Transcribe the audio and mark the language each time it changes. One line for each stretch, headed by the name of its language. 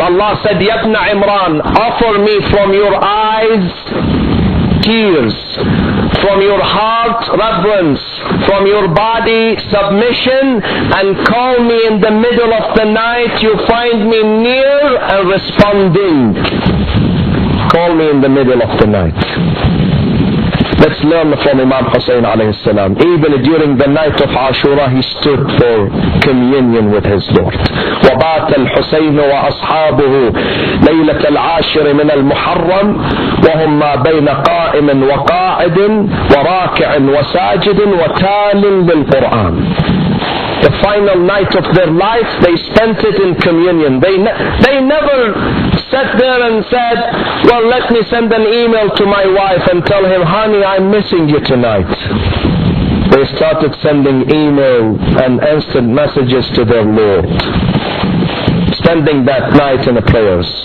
English: Allah said,
Arabic: يَبْنَ عِمْرَانِ,
English: offer me from your eyes tears, from your heart reverence, from your body submission, and call me in the middle of the night, you find me near and responding. Call me in the middle of the night. Let's learn from Imam Hussein alayhi salam. Even during the night of Ashura, he stood for communion with his Lord.
Arabic: وبات الحسين وأصحابه ليلة العاشر من المحرم وهم ما بين قائم وقاعد وراكع وساجد وتال للقرآن.
English: The final night of their life, they spent it in communion. They never sat there and said, well, let me send an email to my wife and tell him, honey, I'm missing you tonight. They started sending email and instant messages to their Lord, spending that night in the prayers.